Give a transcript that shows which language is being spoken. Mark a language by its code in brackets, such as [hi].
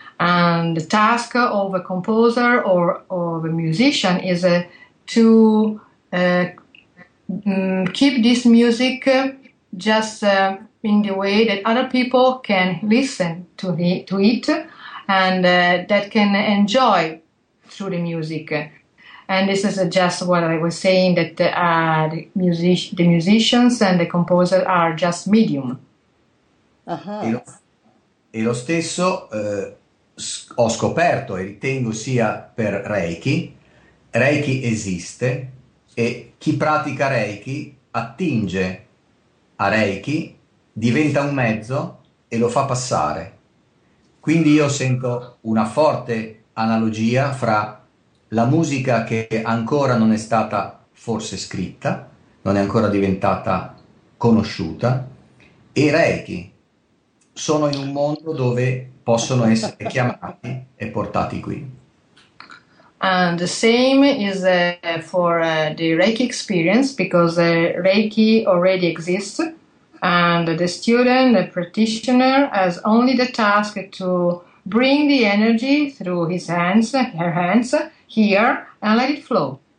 [en] And the task of a composer or of a musician is to keep this music just in the way that other people can listen to it and that can enjoy through the music. And this is just what I was saying that the musicians and the composer are just medium. [it] E lo stesso ho scoperto e ritengo sia per Reiki. Reiki esiste e chi pratica Reiki attinge a Reiki, diventa un mezzo e lo fa passare. Quindi io sento una forte analogia fra la musica che ancora non è stata forse scritta, non è ancora diventata conosciuta, e Reiki. Sono in un mondo dove possono essere chiamati e portati qui. [en] And the same is for the Reiki experience because Reiki already exists, and the student, the practitioner, has only the task to bring the energy through his hands, her hands, here, and let it flow.